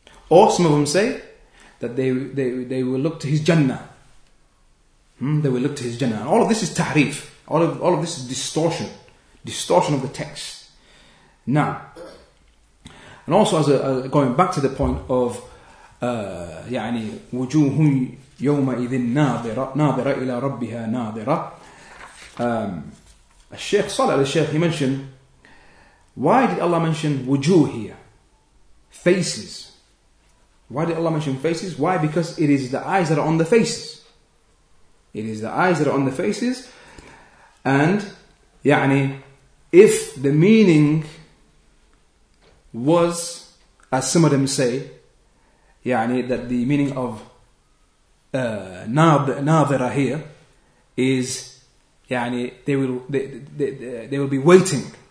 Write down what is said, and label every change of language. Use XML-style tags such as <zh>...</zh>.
<en>Or some of them say that they will look to His Jannah. They will look to His Jannah. And all of this is tahrif. All of this is distortion. Distortion of the text. Now, and also going back to the point of</en> <ar>يعني وجوه يومئذ ناظرة إلى ربها ناظرة. الشيخ صلى الله عليه الشيخ</ar> <en>he mentioned, why did Allah mention wujuh here? Faces. Why did Allah mention faces? Why? Because it is the eyes that are on the faces. It is the eyes that are on the faces. And يعني, if the meaning was, as some of them say, يعني, that the meaning of nadhira here is يعني, they will be waiting.</en>